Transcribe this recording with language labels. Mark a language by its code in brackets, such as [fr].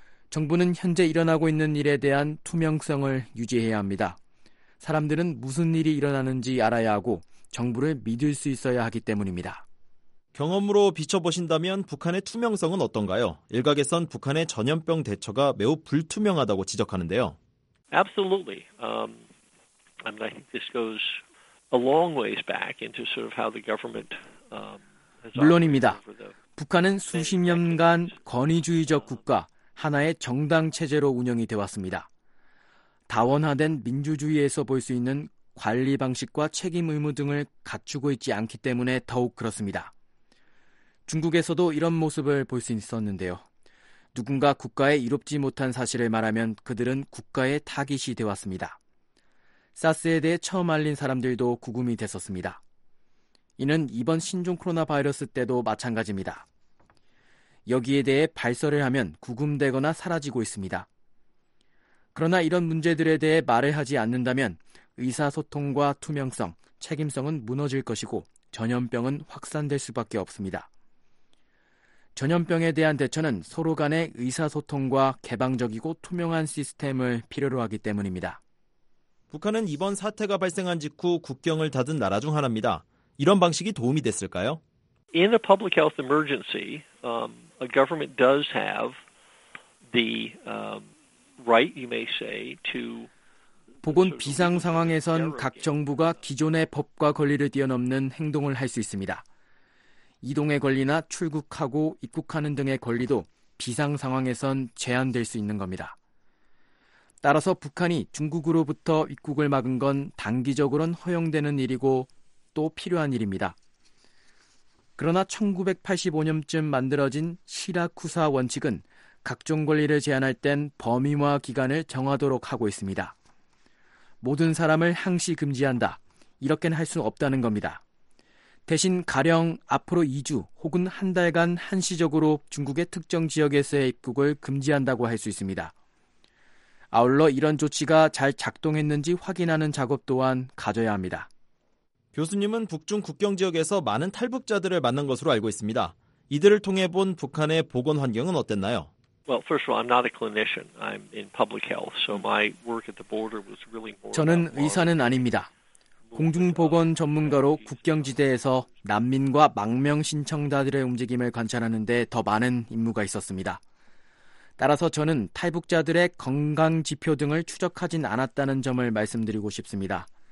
[ko] 정부는 현재 일어나고 있는 일에 대한 투명성을 유지해야 합니다. 사람들은 무슨 일이 일어나는지 알아야 하고 정부를 믿을 수 있어야 하기 때문입니다. 경험으로 비춰보신다면 북한의 투명성은 어떤가요? 일각에선 북한의 전염병 대처가 매우 불투명하다고 지적하는데요. [en] Absolutely. I mean, I think this goes a long ways back into sort of how the government [ko] 물론입니다. 북한은 수십 년간 권위주의적 국가, 하나의 정당 체제로 운영이 되어왔습니다. 다원화된 민주주의에서 볼 수 있는 관리 방식과 책임 의무 등을 갖추고 있지 않기 때문에 더욱 그렇습니다. 중국에서도 이런 모습을 볼 수 있었는데요. 누군가 국가에 이롭지 못한 사실을 말하면 그들은 국가의 타깃이 되어왔습니다. 사스에 대해 처음 알린 사람들도 구금이 됐었습니다. 이는 이번 신종 코로나 바이러스 때도 마찬가지입니다. 여기에 대해 발설을 하면 구금되거나 사라지고 있습니다. 그러나 이런 문제들에 대해 말을 하지 않는다면 의사소통과 투명성, 책임성은 무너질 것이고 전염병은 확산될 수밖에 없습니다. 전염병에 대한 대처는 서로 간의 의사소통과 개방적이고 투명한 시스템을 필요로 하기 때문입니다. 북한은 이번 사태가 발생한 직후 국경을 닫은 나라 중 하나입니다. 이런 방식이 도움이 됐을까요? [en] In a public health emergency, a government does have the right, you may say, to [ko] 보건 비상 상황에선 각 정부가 기존의 법과 권리를 뛰어넘는 행동을 할 수 있습니다. 이동의 권리나 출국하고 입국하는 등의 권리도 비상 상황에선 제한될 수 있는 겁니다. 따라서 북한이 중국으로부터 입국을 막은 건 단기적으로는 허용되는 일이고 또 필요한 일입니다. 그러나 1985년쯤 만들어진 시라쿠사 원칙은 각종 권리를 제한할 땐 범위와 기간을 정하도록 하고 있습니다. 모든 사람을 항시 금지한다. 이렇게는 할 수 없다는 겁니다. 대신 가령 앞으로 2주 혹은 한 달간 한시적으로 중국의 특정 지역에서의 입국을 금지한다고 할 수 있습니다. 아울러 이런 조치가 잘 작동했는지 확인하는 작업 또한 가져야 합니다. 교수님은 북중 국경 지역에서 많은 탈북자들을 만난 것으로 알고 있습니다. 이들을 통해 본 북한의 보건 환경은 어땠나요? [en] Well, first of all, I'm not a clinician. I'm in public health. So my work at the border was really more. [ko] 저는 의사는 아닙니다. 공중보건 전문가로 국경지대에서 난민과 망명 신청자들의 움직임을 관찰하는 데 더 많은 임무가 있었습니다. 따라서 저는 탈북자들의 건강 지표 등을 추적하진 않았다는 점을 말씀드리고 싶습니다.